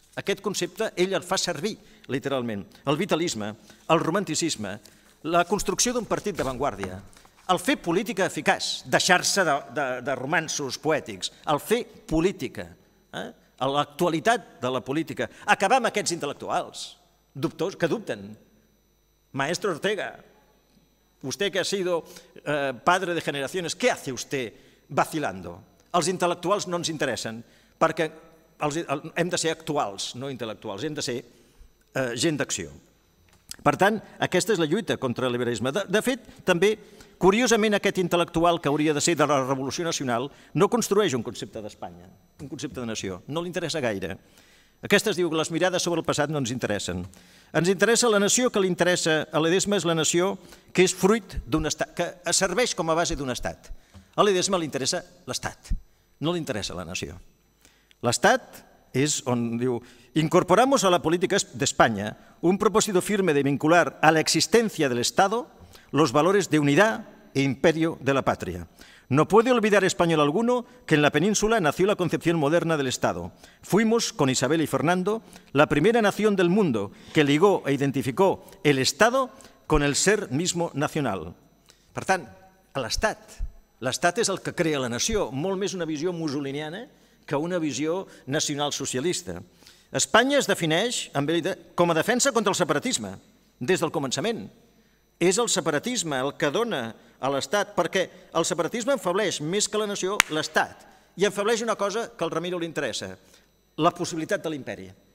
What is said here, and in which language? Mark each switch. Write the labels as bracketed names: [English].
[Catalan] Aquest concepte ell el fa servir literalment. El vitalisme, el romanticisme, la construcció d'un partit d'avantguàrdia, el fer política eficaç, deixar-se de romanços poètics, el fer política, l'actualitat de la política, acabar amb aquests intel·lectuals dubtors que dubten. [Spanish] Maestro Ortega, usted que ha sido padre de generaciones, ¿qué hace usted vacilando? [Catalan] Els intel·lectuals no ens interessen, perquè hem de ser actuals, no intel·lectuals, hem de ser gent d'acció. Per tant, aquesta és la lluita contra el liberalisme. De fet, també, curiosament, aquest intel·lectual que hauria de ser de la Revolució Nacional no construeix un concepte d'Espanya, un concepte de nació, no li interessa gaire. Aquestes, diu, les mirades sobre el passat no ens interessen. Ens interessa la nació que li interessa a Ledesma, és la nació que és fruit d'un estat, que serveix com a base d'un estat. A Ledesma li interessa l'estat, no li interessa la nació. L'estat és on diu, [Spanish] incorporamos a la política d'Espanya un propósito firme de vincular a la existencia del Estado los valores de unidad e imperio de la patria. No puede olvidar español alguno que en la península nació la concepción moderna del Estado. Fuimos, con Isabel y Fernando, la primera nación del mundo que ligó e identificó el Estado con el ser mismo nacional. [Catalan] Per tant, l'Estat. L'Estat és el que crea la nació, molt més una visió mussoliniana que una visió nacionalsocialista. Espanya es defineix com a defensa contra el separatisme, des del començament. És el separatisme el que dona a l'Estat, perquè el separatisme enfableix més que la nació l'Estat i enfableix una cosa que al Ramiro li interessa, la possibilitat de l'imperi.